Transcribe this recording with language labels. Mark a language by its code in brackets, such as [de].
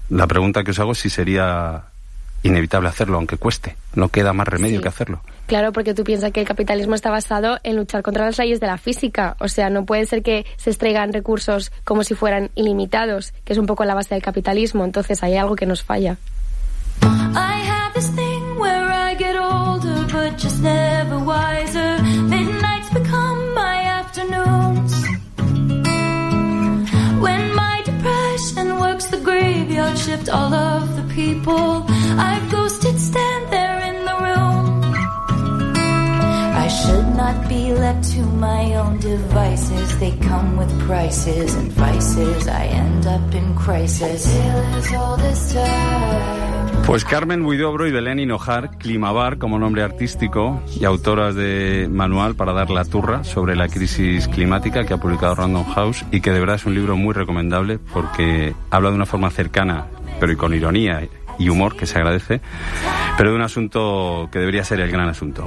[es] La pregunta que os hago es si sería inevitable hacerlo, aunque cueste. No queda más remedio, sí, que hacerlo. Claro, porque tú piensas que el capitalismo está basado en luchar contra las leyes de la física. O sea, no puede ser que se extraigan recursos como si fueran ilimitados, que es un poco la base del capitalismo. Entonces, hay algo que nos falla. [en] I have this thing where I get older, but just never wiser. Midnight's become my afternoons. When my depression works the graveyard shift, all of the people I've ghosted stand there in the room. I should not be left to my own devices. They come with prices and vices. I end up in crisis. Till it's all this time. [es] Pues Carmen Huidobro y Belén Hinojar, Climabar como nombre artístico y autoras de manual para dar la turra sobre la crisis climática que ha publicado Random House y que de verdad es un libro muy recomendable porque habla de una forma cercana, pero y con ironía y humor que se agradece, pero de un asunto que debería ser el gran asunto.